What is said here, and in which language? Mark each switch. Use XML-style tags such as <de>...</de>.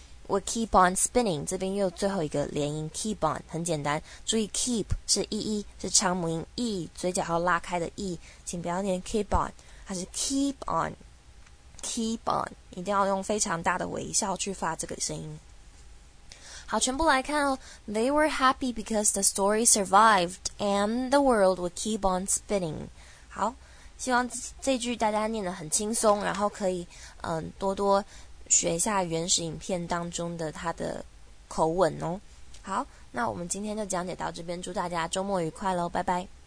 <en>would keep on spinning,</en> <zh>这边又最后一个连音 keep on, 很简单，注意 keep 是 EE, 是长母音 E, 嘴角要拉开的 E, 请不要念 keep on, 它是 keep on, 一定要用非常大的微笑去发这个声音。好，全部来看哦。</zh> <en>They were happy because the story survived and the world would keep on spinning.</en> <zh>好，希望这句大家念得很轻松，然后可以多多学一下原始影片当中的它的口吻哦。好，那我们今天就讲解到这边，祝大家周末愉快咯，拜拜。</zh>